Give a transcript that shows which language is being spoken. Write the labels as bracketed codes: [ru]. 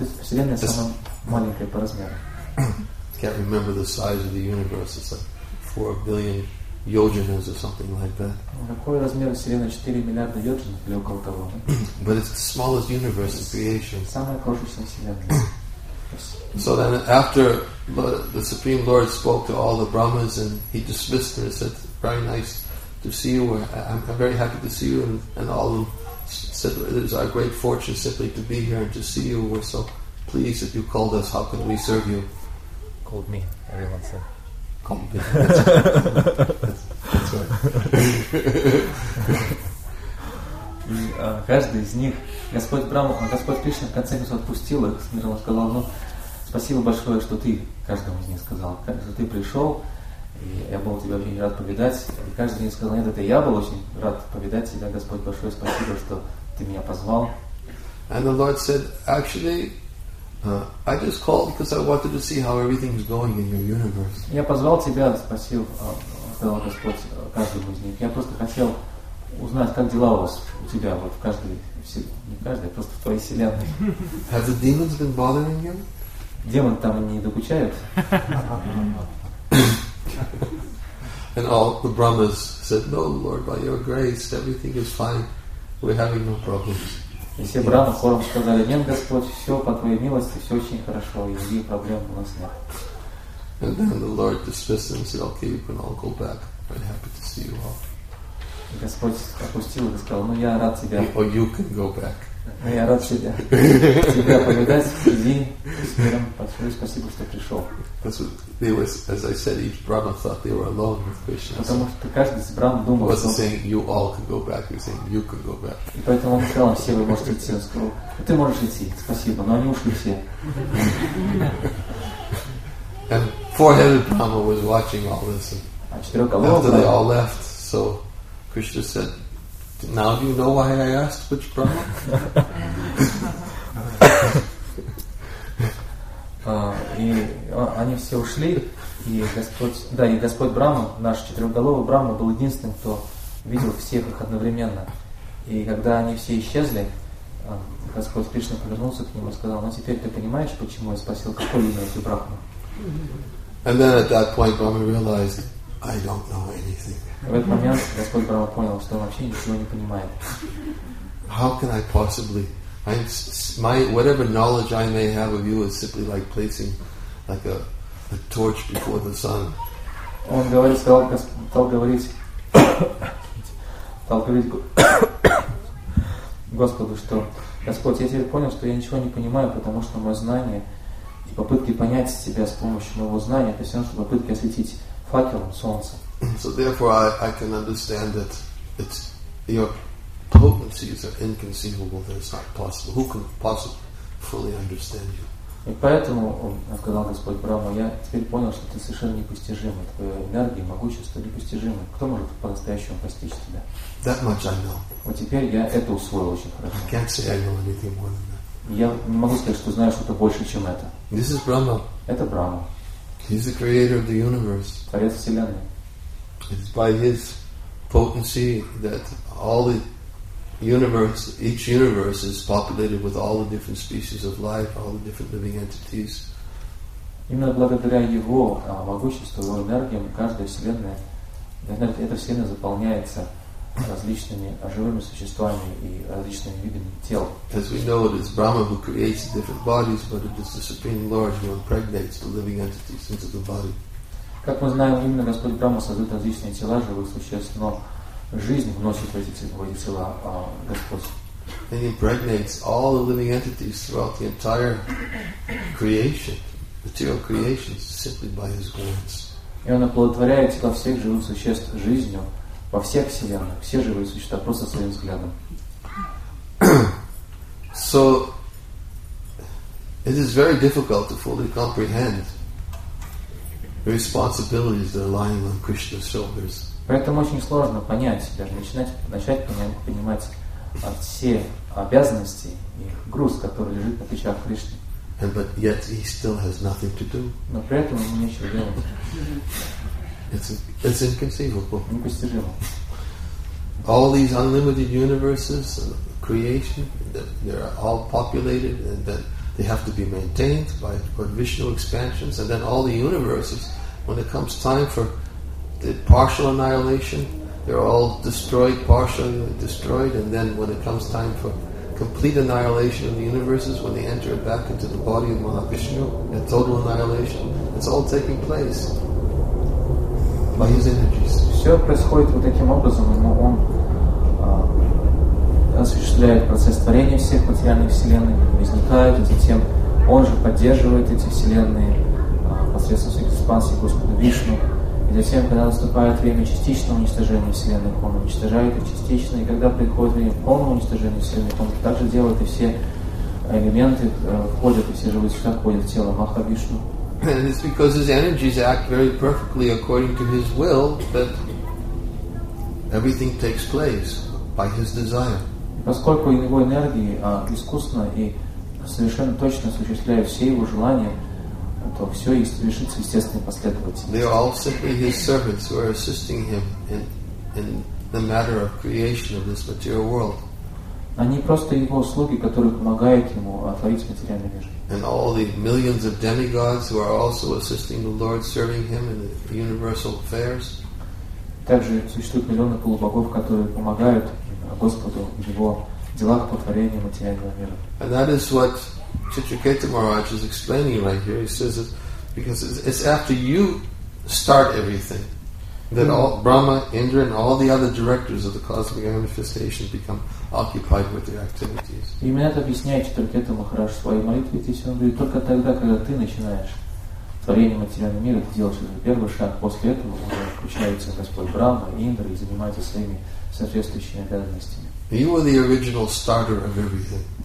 [ru] Вселенная самая маленькая по размеру. [en] I can't remember the size of the universe. It's like 4 billion yojanas or something like that. [ru] Какой размер вселенной? 4 миллиарда йоджин или около того? [en] But it's the smallest universe of creation. [ru] Самая крошечная вселенная. [en] So then after the Supreme Lord spoke to all the Brahmas and he dismissed them and said, very nice to see you, I'm very happy to see you, and all of them said, it is our great fortune simply to be here and to see you, we're so pleased that you called us, how can we serve you? Called me, everyone said. Called me. That's right. [ru] И каждый из них, Господь Брама, Господь Кришна в конце концов отпустил их, смирно сказал, ну, спасибо большое, что ты каждому из них сказал, что ты пришел, и я был тебя очень рад повидать. И каждый из них сказал, нет, это я был очень рад повидать тебя, Господь, большое спасибо, что ты меня позвал. [en] And the Lord said, actually, I just called because I wanted to see how everything's going in your universe. [ru] Я позвал тебя, спасил, сказал Господь каждому из них. Я просто хотел узнать, как дела у вас, у тебя, вот в каждой, не в каждой, а просто в твоей вселенной. [en] Have the demons been bothering you? [ru] Демон там не докучает. [en] And all the Brahmas said, no, Lord, by your grace, everything is fine. We're having no problems. [ru] И все Брамы хором сказали, нет, Господь, все по твоей милости, все очень хорошо, и никаких проблем у нас нет. [en] And then the Lord dismissed them and said, okay, you can all go back. Very happy to see you all. [ru] Господь опустил и сказал, ну я рад тебя. [en] Or you can go back. [ru] Ну я рад тебя. Тебя повидать, иди с миром. Большое спасибо, что пришел. Потому что каждый из Брам думал, что... [en] Saying, you all can go back. He was saying, you can go back. [ru] И поэтому он сказал, все вы можете идти. Он сказал, ну ты можешь идти, спасибо. Но они ушли все. [en] And four-headed Brahma was watching all this. [ru] А четырехголовый [en] Брама... After they all left, so... Krishna said, now do you know why I asked which Brahma? [ru] И они все ушли, и Господь, да, и Господь Брама, наш четырехголовый Брама, был единственным, кто видел всех их одновременно. И когда они все исчезли, Господь Кришна повернулся к нему и сказал, ну теперь ты понимаешь, почему я спросил, какой именно эти Брахмы? [en] And then at that point Brahma realized, I don't know anything. [ru] В этот момент Господь Брама понял, что он вообще ничего не понимает. [en] How can I possibly? My whatever knowledge I may have of you is simply like placing like a torch before the sun. [ru] Он говорит, стал говорить Господу, что Господь, я теперь понял, что я ничего не понимаю, потому что мое знание и попытки понять себя с помощью моего знания, это все равно, что попытки осветить факелом солнца. [en] So therefore, I can understand that it's your potencies are inconceivable. That it's not possible. Who can possibly fully understand you? [ru] И поэтому он сказал Господь Брама, я теперь понял, что ты совершенно непостижимый. Твоя энергия, могущество непостижимы. Кто может по-настоящему постичь тебя? [en] That much I know. [ru] Вот теперь я это усвоил очень хорошо. [en] I can't say I know anything more than that. [ru] Я не могу сказать, что знаю что-то больше, чем это. [en] This is Brahma. [ru] Это Брама. [en] He's the creator of the universe. [ru] Творец вселенной. [en] It's by his potency that all the universe, each universe is populated with all the different species of life, all the different living entities. [ru] Именно благодаря его могуществу, его энергиям, каждая вселенная, эта вселенная заполняется различными живыми существами и различными видами тел. [en] As we know, it is Brahma who creates the different bodies, but it is the Supreme Lord who impregnates the living entities into the body. [ru] Как мы знаем, именно Господь Брама создает различные тела живых существ, но жизнь вносит в эти тела Господь. [en] And impregnates all the living entities throughout the entire creation, material creation, simply by his glance. [ru] И он оплодотворяет тела всех живых существ жизнью во всех вселенных, все живые существа просто своим взглядом. [en] So it is very difficult to fully comprehend. The responsibilities that are lying on Krishna's shoulders. [ru] Поэтому очень сложно понять, даже начать понимать все обязанности и груз, который лежит на плечах Кришны. [en] And but yet he still has nothing to do. [ru] Но при этом ему нечего делать. [en] It's inconceivable. [ru] Непостижимо. [en] All these unlimited universes, creation, they're all populated, and then they have to be maintained by Vishnu expansions, and then all the universes, when it comes time for the partial annihilation, they're all destroyed, partially destroyed, and then when it comes time for complete annihilation of the universes, when they enter back into the body of Mahavishnu, and total annihilation, it's all taking place by his energies. [ru] Все происходит вот таким образом, но он осуществляет процесс творения всех материальных вселенных, возникает, и затем он же поддерживает эти вселенные посредством своих экспансий Господа Вишну. И затем, когда наступает время частичного уничтожения вселенных, он уничтожает их частично, и когда приходит время полного уничтожения вселенных, он также делает, и все элементы входят, и все живые существа входят в тело Махавишну. [en] And it's because his energies act very perfectly according to his will that everything takes place by his desire. [ru] Поскольку его энергии искусно и совершенно точно осуществляют все его желания, то все и совершится естественно и последовательно. [en] They are all simply his servants who are assisting him in the matter of creation of this material world. [ru] Они просто его слуги, которые помогают ему творить материальный мир. [en] And all the millions of demigods who are also assisting the Lord, serving him in the universal affairs. [ru] Также существуют миллионы полубогов, которые помогают Господу в его делах по творению материального мира. [en] And that is what Chitraketa Maharaj is explaining right here. He says that because it's after you start everything that all Brahma, Indra, and all the other directors of the cosmic manifestation become occupied with their activities. [ru] Именно это объясняет Чатуркета Махарадж в своей молитве, если он говорит, только тогда, когда ты начинаешь творение материального мира, ты делаешь уже первый шаг, после этого уже включается Господь Брама, Индра и занимается своими соответствующими обязанностями. [en] You were the original starter of everything.